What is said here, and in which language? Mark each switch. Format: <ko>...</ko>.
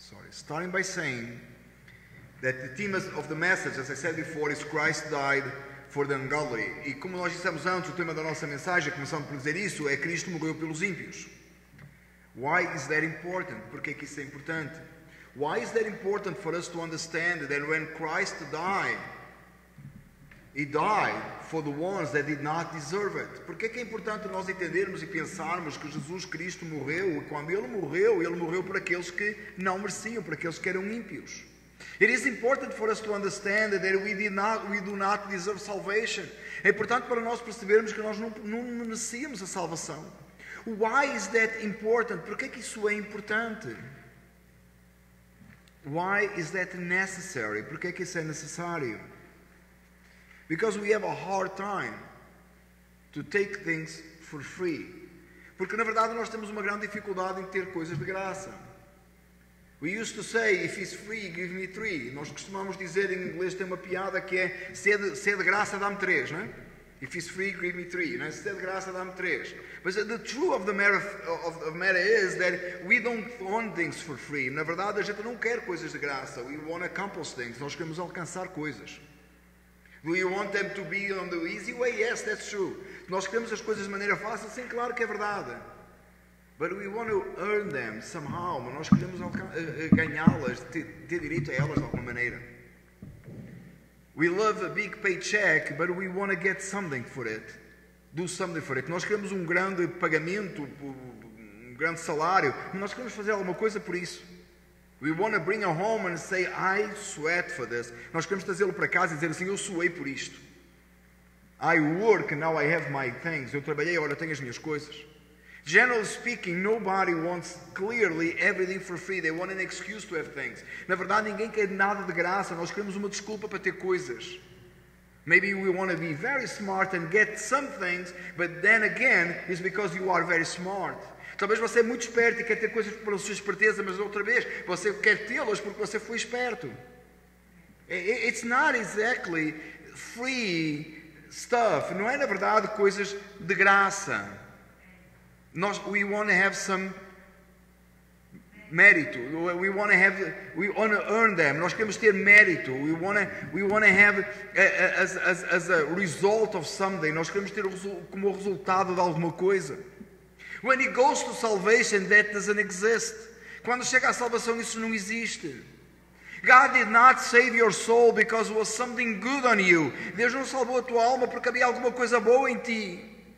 <en>starting by saying that the theme of the message, as I said before, is Christ died for the ungodly.</en> <pt>E como nós dissemos antes, o tema da nossa mensagem, começando por dizer isso, é Cristo morreu pelos ímpios.</pt> <en>Why is that important?</en> <pt>Porque é que isso é importante?</pt> <en>Why is that important for us to understand that when Christ died, He died for the ones that did not deserve it?</en> <pt>Porque é que é importante nós entendermos e pensarmos que Jesus Cristo morreu, e quando Ele morreu por aqueles que não mereciam, por aqueles que eram ímpios.</pt> <en>It is important for us to understand that we do not deserve salvation.</en> <pt>É importante para nós percebermos que nós não merecíamos a salvação.</pt> <en>Why is that important?</en> <pt>Porque é que isso é importante?</pt> <en>Why is that necessary?</en> <pt>Porque é que isso é necessário?</pt> <en>Because we have a hard time to take things for free.</en> <pt>Porque na verdade nós temos uma grande dificuldade em ter coisas de graça.</pt> <en>We used to say, if it's free, give me three.</en> <pt>Nós costumamos dizer, em inglês tem uma piada que é, se é de graça, dá-me três, não é?</pt> <en>If it's free, give me three.</en> <pt>Não é? Se é de graça, dá-me três.</pt> <en>But the truth of the matter, is that we don't want things for free.</en> <pt>Na verdade, a gente não quer coisas de graça.</pt> <en>We want to accomplish things.</en> <pt>Nós queremos alcançar coisas.</pt> <en>Do you want them to be on the easy way? Yes, that's true.</en> <pt>Nós queremos as coisas de maneira fácil? Sim, claro que é verdade.</pt> <en>But we want to earn them somehow.</en> <pt>Mas nós queremos ganhá-las, ter direito a elas de alguma maneira.</pt> <en>We love a big paycheck, but we want to get something for it. Do something for it.</en> <pt>Nós queremos um grande pagamento, um grande salário. Mas nós queremos fazer alguma coisa por isso.</pt> <en>We want to bring him home and say, I sweat for this.</en> <pt>Nós queremos trazê-lo para casa e dizer assim, eu suei por isto.</pt> <en>I work, now I have my things.</en> <pt>Eu trabalhei, agora tenho as minhas coisas.</pt> <en>Generally speaking, nobody wants clearly everything for free. They want an excuse to have things.</en> <pt>Na verdade, ninguém quer nada de graça. Nós queremos uma desculpa para ter coisas.</pt> <en>Maybe we want to be very smart and get some things, but then again, it's because you are very smart.</en> <pt>Talvez você é muito esperto e quer ter coisas para a sua esperteza, mas outra vez, você quer tê-las porque você foi esperto.</pt> <en>It's not exactly free stuff.</en> <pt>Não é, na verdade, coisas de graça. Nós,</pt> <en>we want to have some</en> <pt>mérito.</pt> <en>We want to earn them.</en> <pt>Nós queremos ter mérito.</pt> <en>We want to have as a result of something.</en> <pt>Nós queremos ter como resultado de alguma coisa.</pt> <en>When it goes to salvation, that doesn't exist.</en> <pt>Quando chega à salvação, isso não existe.</pt> <en>God did not save your soul because there was something good on you.</en> <pt>Deus não salvou a tua alma porque havia alguma coisa boa em ti.</pt>